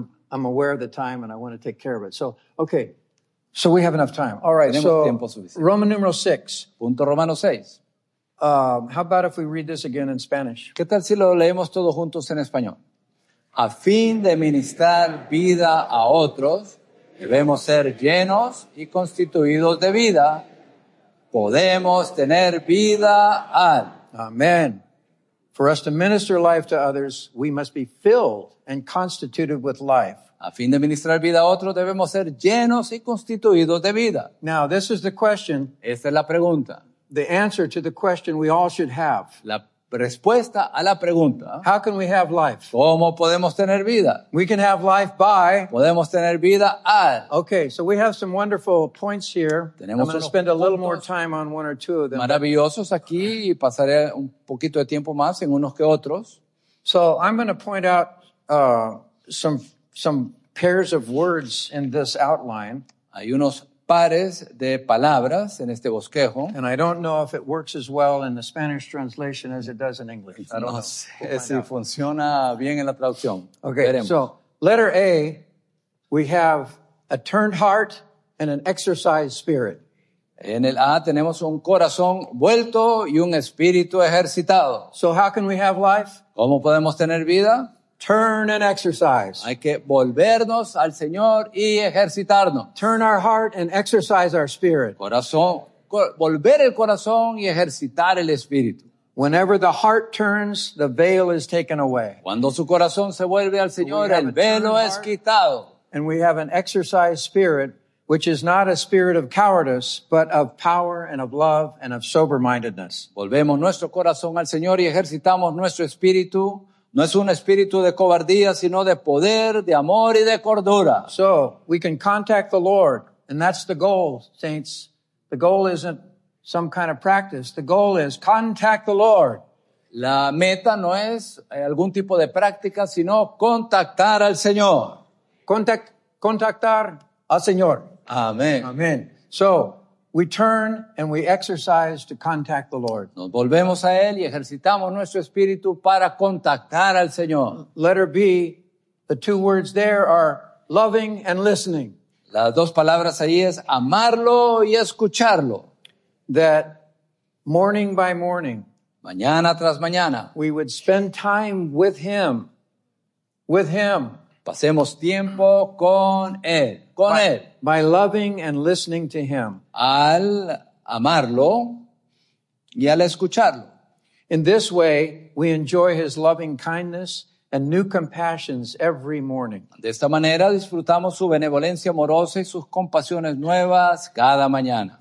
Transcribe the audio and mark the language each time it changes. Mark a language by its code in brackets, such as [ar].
[en] I'm aware of the time and I want to take care of it. So, okay. So we have enough time. All right. [es] Tenemos [en] so, Roman numeral 6. [es] Punto Romano 6. [en] How about if we read this again in Spanish? [es] ¿Qué tal si lo leemos todos juntos en español? A fin de ministrar vida a otros, debemos ser llenos y constituidos de vida. Podemos tener vida al. [en] Amen. For us to minister life to others, we must be filled and constituted with life. [es] A fin de ministrar vida a otros, debemos ser llenos y constituidos de vida. [en] Now, this is the question. [es] Esta es la pregunta. [en] The answer to the question we all should have. [es] La respuesta a la pregunta, [en] how can we have life? [es] ¿Cómo podemos tener vida? [en] We can have life by. [es] Podemos tener vida al. [en] Okay, so we have some wonderful points here. [es] Tenemos [en] I'm going to spend a little more time on one or two of them. [es] Maravillosos aquí y pasaré un poquito de tiempo más en unos que otros. [en] So I'm going to point out some pairs of words in this outline. [es] Hay unos pares de palabras en este bosquejo. [en] And I don't know if it works as well in the Spanish translation as it does in English. I don't [es] no [en] know. [es] Sé si funciona bien en la traducción. [en] Okay, [es] veremos. [en] So letter A, we have a turned heart and an exercised spirit. [es] En el A tenemos un corazón vuelto y un espíritu ejercitado. [en] So how can we have life? [es] ¿Cómo podemos tener vida? [en] Turn and exercise. [es] Hay que volvernos al Señor y ejercitarnos. [en] Turn our heart and exercise our spirit. [es] Corazón, volver el corazón y ejercitar el espíritu. [en] Whenever the heart turns, the veil is taken away. [es] Cuando su corazón se vuelve al Señor, el velo es quitado. [en] And we have an exercised spirit, which is not a spirit of cowardice, but of power and of love and of sober-mindedness. [es] Volvemos nuestro corazón al Señor y ejercitamos nuestro espíritu. No es un espíritu de cobardía, sino de poder, de amor y de cordura. [en] So, we can contact the Lord, and that's the goal, saints. The goal isn't some kind of practice. The goal is contact the Lord. [es] La meta no es algún tipo de práctica, sino contactar al Señor. Contactar al Señor. Amén. Amén. [en] So, we turn and we exercise to contact the Lord. [es] Nos volvemos a Él y ejercitamos nuestro espíritu para contactar al Señor. [en] Letter B, the two words there are loving and listening. [es] Las dos palabras ahí es amarlo y escucharlo. [en] That morning by morning, [es] mañana tras mañana, [en] we would spend time with Him. With Him. [es] Pasemos tiempo con Él. Con Él. [en] By loving and listening to Him. [es] Al amarlo y al escucharlo. [en] In this way, we enjoy His loving kindness and new compassions every morning. [es] De esta manera, disfrutamos su benevolencia amorosa y sus compasiones nuevas cada mañana.